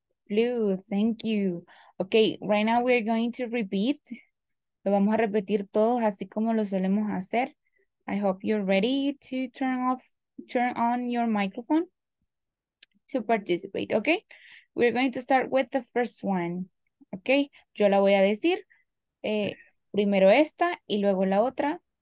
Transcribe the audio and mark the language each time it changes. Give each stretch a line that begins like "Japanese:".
English: Blue, thank you. Okay, right now we're going to repeat.
Spanish: Lo vamos a repetir todos así como lo solemos hacer.
English: I hope you're ready to turn on your microphone to participate, okay? We're going to start with the first one, okay?
Spanish: Yo la voy a decir primero esta y luego la otra.